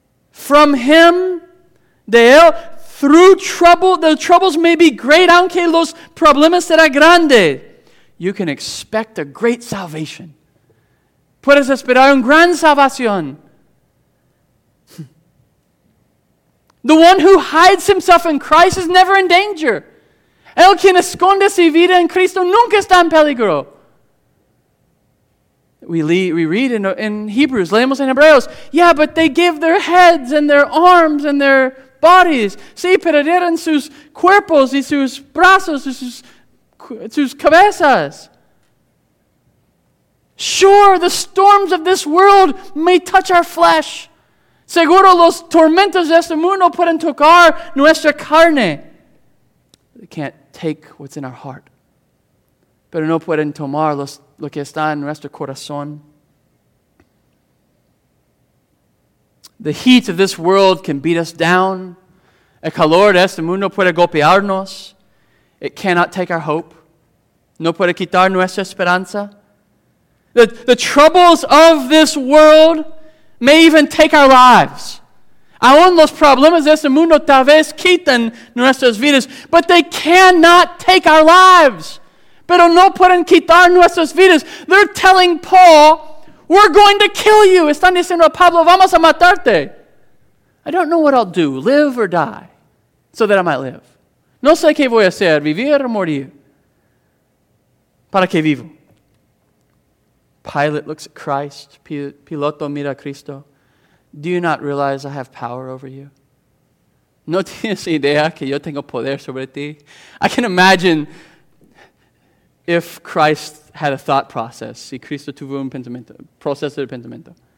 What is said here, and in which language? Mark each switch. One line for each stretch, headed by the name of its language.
English: From him, de él, through trouble, the troubles may be great, aunque los problemas serán grandes. You can expect a great salvation. Puedes esperar una gran salvación. The one who hides himself in Christ is never in danger.
Spanish: El quien esconde su vida en Cristo nunca está en peligro.
English: We read in Hebrews, leemos en Hebreos, yeah, but they give their heads and their arms and their bodies.
Spanish: Sí, pero dieron sus cuerpos y sus brazos y sus cabezas.
English: Sure, the storms of this world may touch our flesh.
Spanish: Seguro los tormentos de este mundo pueden tocar nuestra carne. They can't take what's in our heart. Pero no pueden tomar lo que está en nuestro corazón.
English: The heat of this world can beat us down. El calor de este mundo puede golpearnos. It cannot take our hope. No puede quitar nuestra esperanza. The troubles of this world may even take our lives.
Spanish: Aún los problemas de este mundo tal vez quiten nuestras vidas, but they cannot take our lives. Pero no pueden quitar nuestras vidas.
English: They're telling Paul, we're going to kill you. Están diciendo a Pablo, vamos a matarte. I don't know what I'll do, live or die, so that I might live.
Spanish: No sé qué voy a hacer, vivir o morir. Para que vivo. Pilate looks at Christ. Piloto mira a Cristo.
English: Do you not realize I have power over you?
Spanish: No tienes idea que yo tengo poder sobre ti? I can imagine if Christ had a thought process. Si Cristo tuvo un pensamiento, proceso de pensamiento.